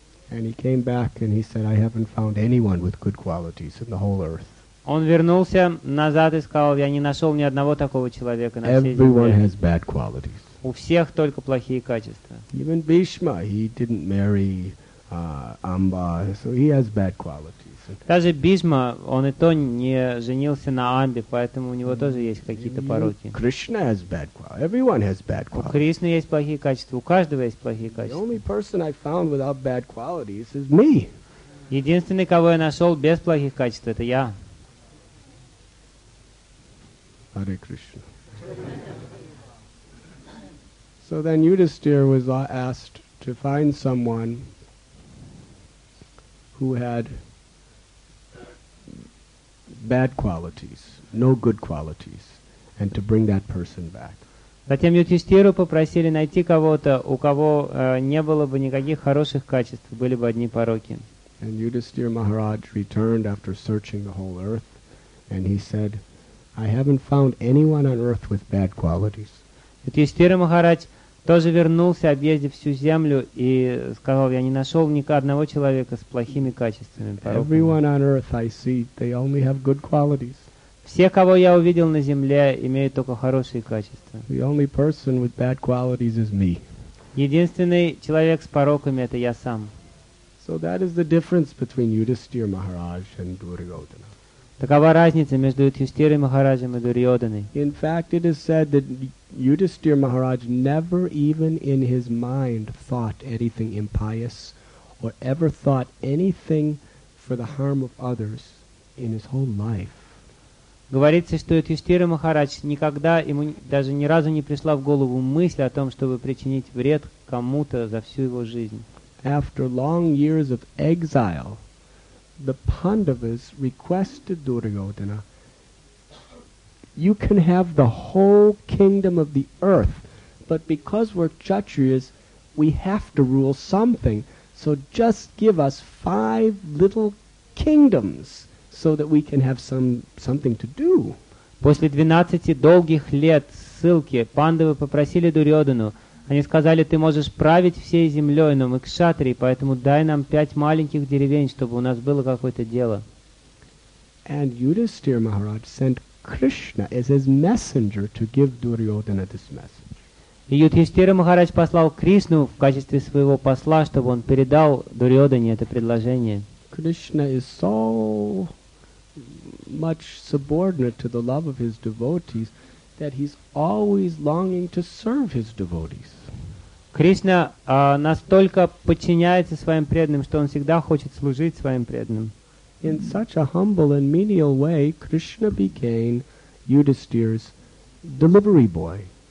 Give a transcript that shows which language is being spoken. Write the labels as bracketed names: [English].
[English] And he came back and he said, "I haven't found anyone with good qualities in the whole earth." [Russian] Он вернулся назад и сказал: "Я не нашел ни одного такого человека на [English] Everyone [Russian] всей земле. [English] Everyone has bad qualities. [Russian] У всех только плохие качества. [English] Even Bhishma, he didn't marry Amba, so he has bad qualities." [Russian] Даже Бхишма, он и то не женился на Амбе, поэтому у него тоже есть какие-то пороки. [English] Krishna has bad qualities. Everyone has bad qualities. [Russian] У Кришны есть плохие качества, у каждого есть плохие качества. [English] The only person I found without bad qualities is me. [Russian] Единственный, кого я нашел без плохих качеств, это я. [English] Hare Krishna. So then Yudhisthira was asked to find someone who had bad qualities, no good qualities, and to bring that person back. [Russian] Затем Юдхиштхиру попросили найти кого-то, у кого не было бы никаких хороших качеств, были бы одни пороки. [English] And Yudhisthira Maharaj returned after searching the whole earth, and he said, "I haven't found anyone on earth with bad qualities." [Russian] Юдхиштхира Махарадж тоже вернулся, объездив всю землю, и сказал: "Я не нашел ни одного человека с плохими качествами, пороками." [English] Everyone on earth I see, they only have good qualities. [Russian] Все, кого я увидел на земле, имеют только хорошие качества. [English] The only person with bad qualities is me. [Russian] Единственный человек с пороками — это я сам. [English] So that is the difference between Yudhisthira Maharaj and Duryodhana. [Russian] Такова разница между Юдхиштхирой Махараджем и Дурьодханой. [English] In fact, it is said that Yudhisthira Maharaj never even in his mind thought anything impious or ever thought anything for the harm of others in his whole life. [Russian] Говорится, что Юдхиштхира Махарадж никогда, ему даже ни разу не пришла в голову мысль о том, чтобы причинить вред кому-то за всю его жизнь. [English] After long years of exile, the Pandavas requested Duryodhana, "You can have the whole kingdom of the earth, but because we're Kshatriyas, we have to rule something, so just give us 5 little kingdoms, so that we can have something to do." [Russian] После 12 долгих лет ссылки Пандавы попросили Дурьодхану. Они сказали, ты можешь править всей землей, но мы кшатри, поэтому дай нам 5 маленьких деревень, чтобы у нас было какое-то дело. [English] And Yudhisthira Maharaj sent Krishna as his messenger to give Duryodhana this message. [Russian] И Юдхиштхира Махарадж послал Кришну в качестве своего посла, чтобы он передал Дурьодхане это предложение. [English] Krishna is so much subordinate to the love of his devotees that he's always longing to serve his devotees. [Russian] Кришна настолько подчиняется своим преданным, что он всегда хочет служить своим преданным. [English] In such a humble and menial way, Krishna became Yudhisthira's delivery boy.